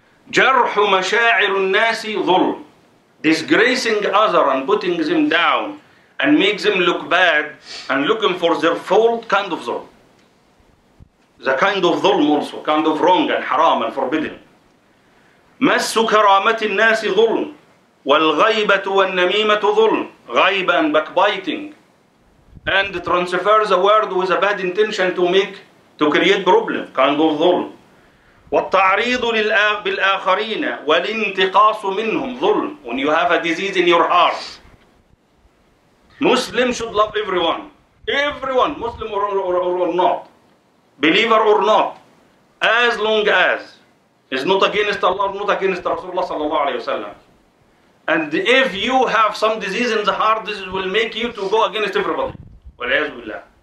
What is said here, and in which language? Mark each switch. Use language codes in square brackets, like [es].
[ar] جرح مشاعر الناس ظلم. [en] Disgracing other and putting them down and make them look bad and looking for their fault, kind of zulm. The kind of zulm also, kind of wrong and haram and forbidden. [ar] مس كرامة الناس ظلم والغيبة والنميمة ظلم. [en] غيبة and backbiting and transfer the word with a bad intention to create problem, kind of zulm. [ar] والتعريض بالآخرين والانتقاص منهم ظلم. [en] When you have a disease in your heart, Muslim should love everyone, Muslim or not, believer or not, as long as it's not against Allah, not against Rasulullah sallallahu alayhi wa sallam. And if you have some disease in the heart, this will make you to go against everybody, walayaz billah.